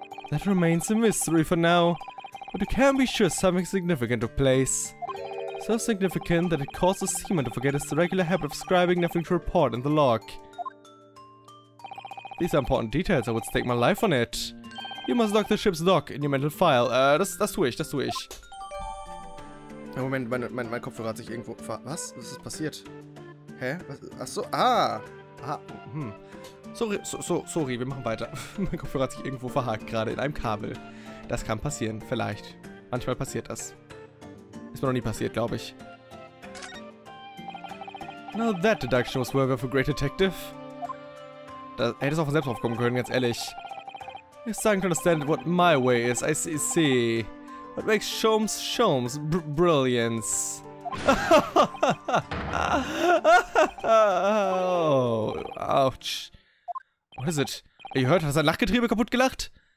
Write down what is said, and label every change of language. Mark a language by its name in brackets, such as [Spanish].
[English] That remains a mystery for now, but you can be sure something significant took place. So significant that it caused the seaman to forget his regular habit of scribing nothing to report in the log. These are important details, I would stake my life on it. You must lock the ship's log in your mental file. [German] Das tue ich. Moment, mein Kopfhörer hat sich irgendwo... Was? Was ist passiert? Hä? Was? Ach so, ah! Sorry, wir machen weiter. Mein Kopfhörer hat sich irgendwo verhakt, gerade in einem Kabel. Das kann passieren, vielleicht. Manchmal passiert das. Ist mir noch nie passiert, glaube ich. [English] Now that deduction was worthy of a great detective. [German] Da hätte es auch von selbst aufkommen können, ganz ehrlich. [English] You're starting to understand what my way is, I see. What makes Sholmes brilliance? Oh, ouch. What is it? Are you hurt? [German] Hat sein Lachgetriebe kaputt gelacht?